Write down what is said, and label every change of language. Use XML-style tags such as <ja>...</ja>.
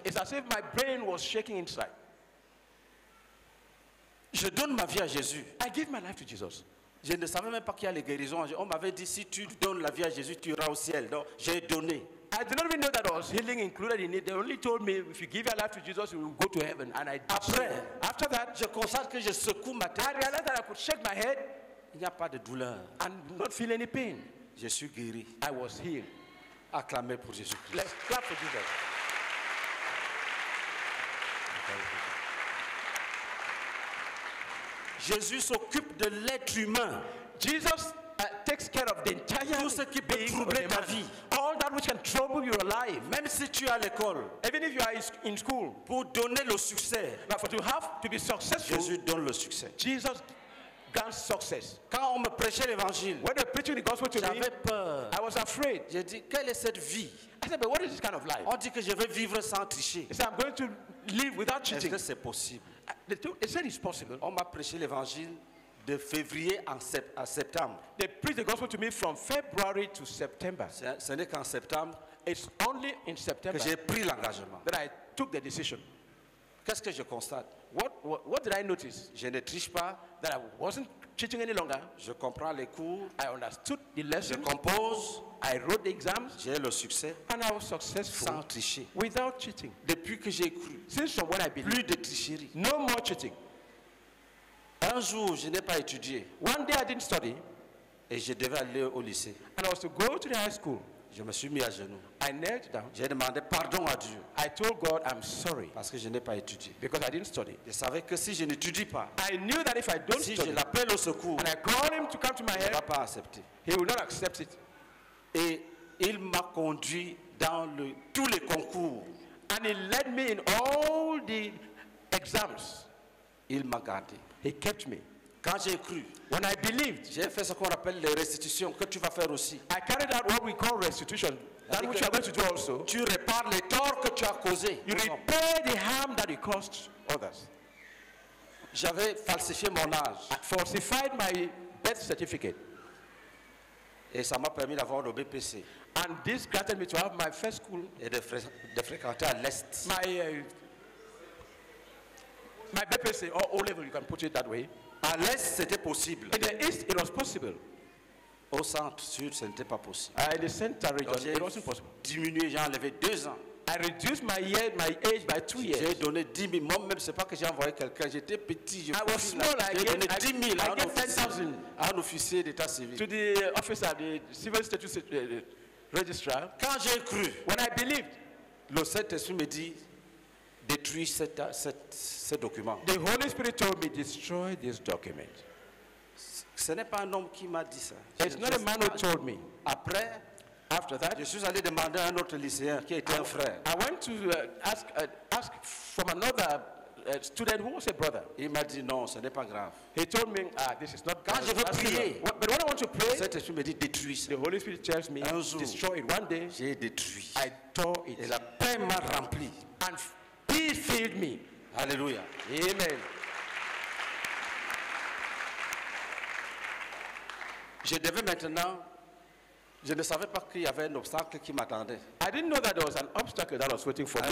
<en>It's as if my brain was shaking inside.</en> <fr>Je donne ma vie à Jésus.</fr> <en>I give my life to Jesus.</en> <fr>Je ne savais même pas qu'il y a les guérisons. On m'avait dit si tu donnes la vie à Jésus, tu iras au ciel. Donc j'ai donné.</fr> <en>I did not even know that there was healing included in it. They only told me if you give your life to Jesus, you will go to heaven. And I did.</en> <fr>Après,</fr> <en>after that,</en> <fr>je constate que je secoue ma tête.</fr> <en>I realized that I could shake my head.</en> <fr>Il n'y a pas de douleur.</fr> <en>And not feel any pain.</en> <fr>Je suis guéri.</fr> <en>I was healed.</en> <fr>Acclamez pour Jésus Christ.</fr> <en>Let's clap for Jesus.</en> <fr>Jésus s'occupe de l'être humain.</fr> <en>Jesus takes care of the entire</en> <fr>tout ce qui peut troubler ta vie.</fr> <en>All that which can trouble your life.</en> <fr>Même si tu es à l'école.</fr> <en>Even if you are in school.</en> <fr>Pour donner le succès.</fr> <en>But for to have to be successful.</en> <fr>Jésus donne le succès.</fr> <en>Jesus grants success.</en> <fr>Quand on me prêchait l'évangile.</fr> <en>When they were preaching the gospel to me.</en> <fr>J'avais peur.</fr> <en>I was afraid.</en> <fr>J'ai dit, quelle est cette vie?</fr> <en>I said, but what is this kind of life?</en> <fr>On dit que je vais vivre sans tricher.</fr> <en>He said, I'm going to live without cheating.</en> <fr>Est-ce que c'est possible?</fr> <en>They said it's possible.</en> <fr>On m'a prêché l'évangile de février à septembre.</fr> <en>They preached the gospel to me from February to September.</en> <fr>Ce n'est qu'en septembre.</fr> <en>It's only in September</en> <fr>que j'ai pris l'engagement.</fr> <en>That I took the decision.</en> <fr>Qu'est-ce que je constate?</fr> <en>What did I notice?</en> <fr>Je ne triche pas.</fr> <en>That I wasn't cheating any longer.</en> <fr>Je comprends les cours.</fr> <en>I understood the lessons.</en> <fr>Je compose.</fr> <en>I wrote the exams.</en> <fr>J'ai le succès.</fr> <en>And I was successful.</en> <fr>Sans tricher.</fr> <en>Without cheating.</en> <fr>Depuis que j'ai cru.</fr> <en>Since from what I believe.</en> <fr>Plus de tricherie.</fr> <en>No more cheating.</en> <fr>Un jour, je n'ai pas étudié.</fr> <en>One day I didn't study.</en> <fr>Et je devais aller au lycée.</fr> <en>And I was to go to the high school.</en> <fr>Je me suis mis à genoux.</fr> <en>I knelt down.</en> <fr>J'ai demandé pardon à Dieu.</fr> <en>I told God I'm sorry.</en> <fr>Parce que je n'ai pas étudié.</fr> <en>Because I didn't study.</en> <fr>Je savais que si je n'étudie pas.</fr> <en>I knew that if I don't</en> <fr>si</fr> <en>study.</en> <fr>Si je l'appelle au secours.</fr> <en>And I call him to come to my help.</en> <fr>Il ne va pas accepter.</fr> <en>He will not accept it.</en> <fr>Et il m'a conduit dans tous les concours.</fr> <en>And he led me in all the exams.</en> <fr>Il m'a gardé.</fr> <en>He kept me.</en> <fr>Quand j'ai cru.</fr> <en>When I believed.</en> <fr>J'ai fait ce qu'on appelle les restitutions que tu vas faire aussi.</fr> <en>I carried out what we call restitution. That which you are going to do also.</en> <fr>Tu répares les torts que tu as causés.</fr> <en>You repair the harm that you caused others.</en> <fr>J'avais falsifié mon âge.</fr> <en>I falsified my birth certificate.</en> <fr>Et ça m'a permis d'avoir le BPC.</fr> <en>And this granted me to have my first school.</en> <fr>Et de fréquenter à l'Est.</fr> <en>My BPC, or O level, you can put it that way.</en> <fr>À l'Est, c'était possible.</fr> <en>In the East, it was possible.</en> <fr>Au centre, sud, ce n'était pas possible.</fr> <en>In the center region, it wasn't possible.</en> <fr>Diminué, j'ai enlevé 2 ans.</fr> <en>I reduced my age by 2 years.</en> <fr>J'ai donné 10 000. Moi-même, c'est pas que j'ai envoyé quelqu'un. J'étais petit.</fr> <en>I was small.</en> <fr>J'ai donné 10 000</fr> <en>I gave 10,000</en> <fr>à un officier d'état civil.</fr> <en>To the officer, the civil status registrar.</en> <fr>Quand j'ai cru.</fr> <en>When I believed.</en> <fr>Le Saint-Esprit me dit, détruis ce document.</fr> <en>The Holy Spirit told me, destroy this document.</en> <fr>Ce n'est pas un homme qui m'a dit ça.</fr> <en>It's not a man who told me.</en> <fr>Après.</fr> <en>After that,</en> <fr>je suis allé demander à un autre lycéen qui était un frère.</fr> <en>I went to ask from another student who was a brother.</en> <fr>Il m'a dit non, ce n'est pas grave.</fr> <en>He told me, this is not</en> <fr>God. Je veux prier.</fr> <en>But when I want to pray,</en> <fr>Saint-Esprit me dit détruis.</fr> <en>The Holy Spirit tells me,</en> <fr>un jour,</fr> <en>destroy it. One day,</en> <fr>j'ai détruit.</fr> <en>I tore it.</en> <fr>Et la paix m'a rempli.</fr> <en>And peace filled me. Alléluia. Amen.</en> <fr>Je devais maintenant. Je ne savais pas qu'il y avait un obstacle qui m'attendait.</fr> <en>I didn't know that there was an obstacle that was waiting for me.</en>